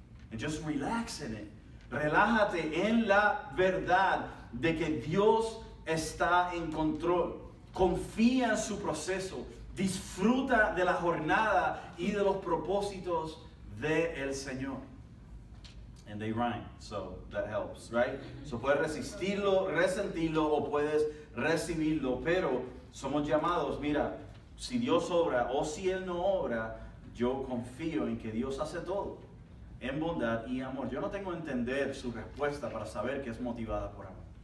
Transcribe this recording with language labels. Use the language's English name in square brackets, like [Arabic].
[English] And just relax in it. [Spanish] Relájate en la verdad de que Dios está en control. Confía en su proceso. Disfruta de la jornada y de los propósitos del Señor. [English] And they rhyme, so that helps, right? So [Spanish] puedes resistirlo, resentirlo, o puedes recibirlo, pero somos llamados, mira, si Dios obra o si Él no obra, yo confío en que Dios hace todo en bondad y amor. Yo no tengo que entender su respuesta para saber que es motivada por amor.